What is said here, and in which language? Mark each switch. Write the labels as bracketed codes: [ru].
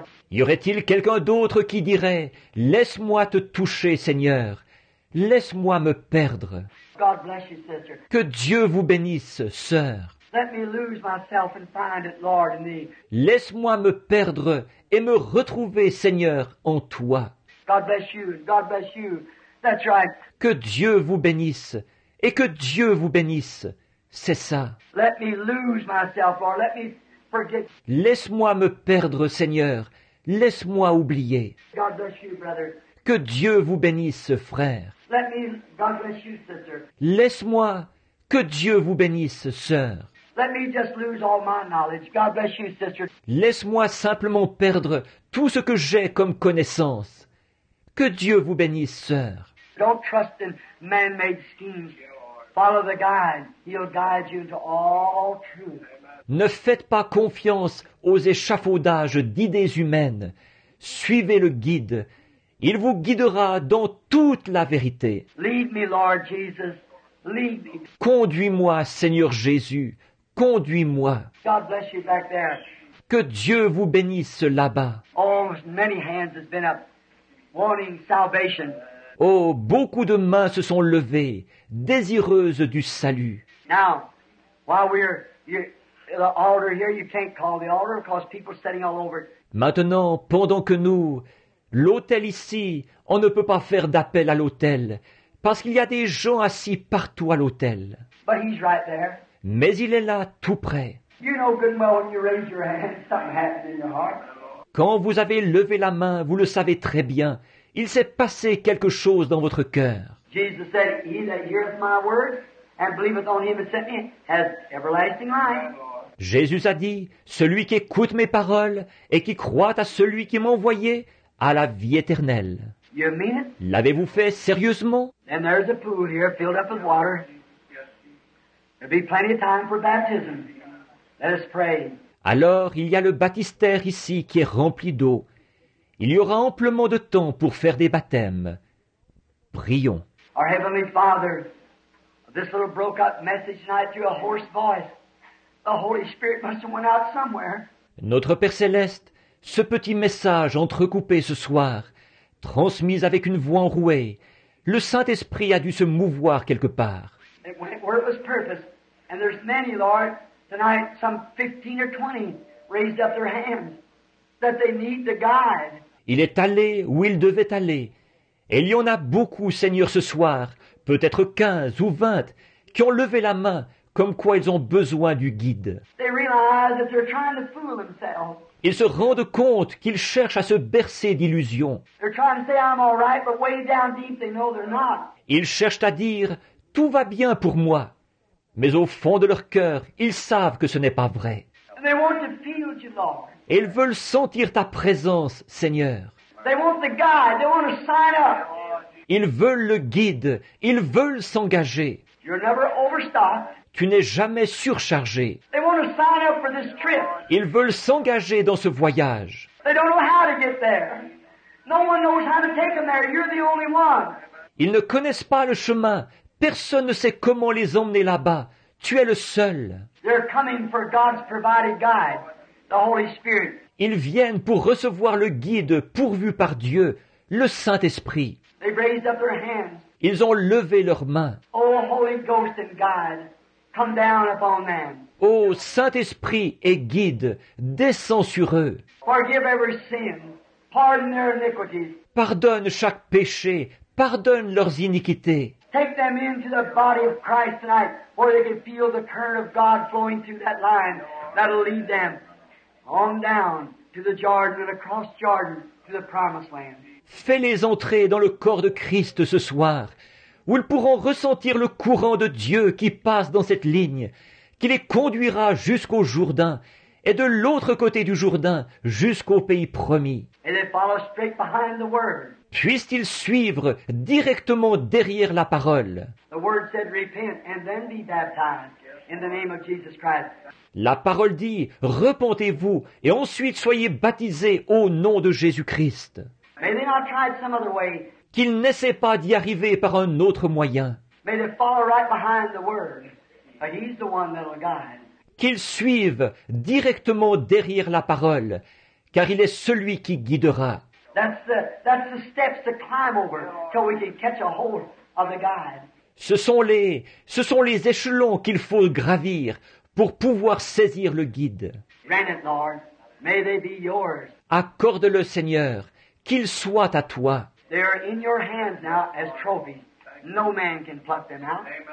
[fr] Y aurait-il quelqu'un d'autre qui dirait « Laisse-moi te toucher, Seigneur. » Laisse-moi me perdre. [en] God bless you, sister. [fr] Que Dieu vous bénisse, sœur. [en] Let me lose myself and find it, Lord, in thee. [fr] Laisse-moi me perdre et me retrouver, Seigneur, en toi. [en] God bless you, God bless you. That's right. [fr] Que Dieu vous bénisse et que Dieu vous bénisse, c'est ça. [en] Let me lose myself, Lord. Let me forget. [fr] Laisse-moi me perdre, Seigneur. Laisse-moi oublier. [en] God bless you, brother. [fr] Que Dieu vous bénisse, frère. [en] Let me, God bless you, sister. [fr] Laisse-moi, que Dieu vous bénisse, sœur. [en] Let me just lose all my knowledge. God bless you, sister. [fr] Laisse-moi simplement perdre tout ce que j'ai comme connaissance. Que Dieu vous bénisse, sœur. [en] Don't trust in man-made schemes. Follow the guide. He'll guide you into all truth. Amen. [fr] Ne faites pas confiance aux échafaudages d'idées humaines. Suivez le guide. Il vous guidera dans toute la vérité. [en] Lead me, Lord Jesus. Lead me. [fr] Conduis-moi, Seigneur Jésus. Conduis-moi. [en] God bless you back there. [fr] Que Dieu vous bénisse là-bas. [en] Oh, many hands have been up, wanting salvation. [fr] Oh, beaucoup de mains se sont levées, désireuses du salut. [en] Now, while we're the altar here, you can't call the altar because people are standing all over. [fr] Maintenant, pendant que nous l'autel ici, on ne peut pas faire d'appel à l'autel, parce qu'il y a des gens assis partout à l'autel. [en] But he's right there. [fr] Mais il est là, tout près. [en] You know good and well when you raise your hand, something happened in your heart. [fr] Quand vous avez levé la main, vous le savez très bien, il s'est passé quelque chose dans votre cœur. [en] Jesus said, he that heareth my word and believeth on him that sent me has everlasting life. [fr] Jésus a dit, celui qui écoute mes paroles et qui croit à celui qui m'a envoyé, à la vie éternelle. [en] You mean it? [fr] L'avez-vous fait sérieusement? [en] Then there's a pool here filled up with water. There'll be plenty of time for baptism. Let us pray. [fr] Alors, il y a le baptistère ici qui est rempli d'eau. Il y aura amplement de temps pour faire des baptêmes. Prions. [en] Our Heavenly Father, this little broke-up message tonight through a hoarse voice. The Holy Spirit must have went out somewhere. [fr] Notre Père Céleste, ce petit message entrecoupé ce soir, transmis avec une voix enrouée, le Saint-Esprit a dû se mouvoir quelque part. [en] It went where it was purpose. And there's many, Lord, tonight, some 15 or 20 raised up their hands that they need the guide. [fr] Il est allé où il devait aller. Et il y en a beaucoup, Seigneur, ce soir, peut-être 15 ou 20, qui ont levé la main comme quoi ils ont besoin du guide. [en] They realize that they're trying to fool themselves. [fr] Ils se rendent compte qu'ils cherchent à se bercer d'illusions. [en] They're trying to say, I'm all right, but way down deep, they know they're not. [fr] Ils cherchent à dire, tout va bien pour moi. Mais au fond de leur cœur, ils savent que ce n'est pas vrai. [en] And they want to feel you, Lord. [fr] Et ils veulent sentir ta présence, Seigneur. [en] They want the guide. They want to sign up. [fr] Ils veulent le guide. Ils veulent s'engager. [en] You're never overstocked. [fr] Tu n'es jamais surchargé. [en] They want to sign up for this trip. [fr] Ils veulent s'engager dans ce voyage. [en] They don't know how to get there. No one knows how to take them there. You're the only one. [fr] Ils ne connaissent pas le chemin. Personne ne sait comment les emmener là-bas. Tu es le seul. [en] They're coming for God's provided guide, the Holy Spirit. [fr] Ils viennent pour recevoir le guide pourvu par Dieu, le Saint-Esprit. [en] They raised up their hands. [fr] Ils ont levé leurs mains. [en] Oh, Holy Ghost and guide, come down upon them. [fr] Oh, Saint-Esprit et guide, descends sur eux. [en] Forgive every sin. Pardon their iniquities. [fr] Pardonne chaque péché. Pardonne leurs iniquités. [en] Take them into the body of Christ tonight, where they can feel the current of God flowing through that line that'll lead them on down to the Jordan and across Jordan to the Promised Land. [fr] Fais-les entrer dans le corps de Christ ce soir, où ils pourront ressentir le courant de Dieu qui passe dans cette ligne, qui les conduira jusqu'au Jourdain, et de l'autre côté du Jourdain jusqu'au pays promis. [en] And they follow straight behind the word. [fr] Puissent-ils suivre directement derrière la parole. [en] The word said, repent and then be baptized in the name of Jesus Christ. [fr] La parole dit, repentez-vous et ensuite soyez baptisés au nom de Jésus-Christ. [en] May they not try some other way. [fr] Qu'ils n'essaient pas d'y arriver par un autre moyen. [en] May they follow right behind the word, but he's the one that'll guide. [fr] Qu'ils suivent directement derrière la parole, car il est celui qui guidera. [en] That's the steps to climb over till we can catch a hold of the guide. [fr] Ce sont les échelons qu'il faut gravir pour pouvoir saisir le guide. [en] Grant it, Lord, may they be yours. [fr] Accorde-le, Seigneur, qu'ils soient à toi. [en] They are in your hands now as trophies. No man can pluck them out.